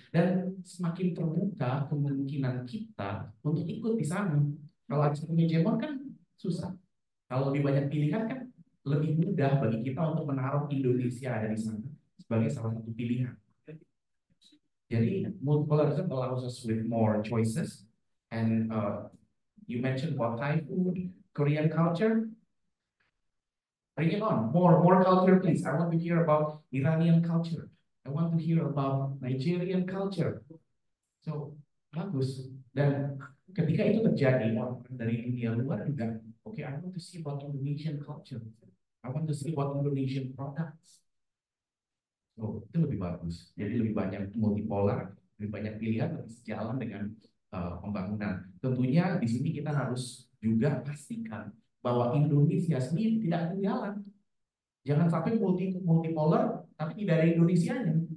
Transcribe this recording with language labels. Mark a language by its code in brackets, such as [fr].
[id] Dan semakin terbuka kemungkinan kita untuk ikut di sana. Kalau cuma jemur kan susah. Kalau lebih banyak pilihan kan lebih mudah bagi kita untuk menaruh Indonesia ada di sana sebagai salah satu pilihan. Jadi [en] multipolarism allows us with more choices. And you mentioned about Thai food, Korean culture. Bring it on, more culture please. I want to hear about Iranian culture. I want to hear about Nigerian culture. So [id] bagus. Dan ketika itu terjadi dari dunia luar juga. [en] Okay, I want to see about Indonesian culture. I want to see about Indonesian products. So [id] itu lebih bagus. Jadi lebih banyak multipolar, lebih banyak pilihan, lebih sejalan dengan pembangunan. Tentunya di sini kita harus juga pastikan bahwa Indonesia sendiri tidak ketinggalan. Jangan sampai multipolar, tapi tidak ada Indonesianya.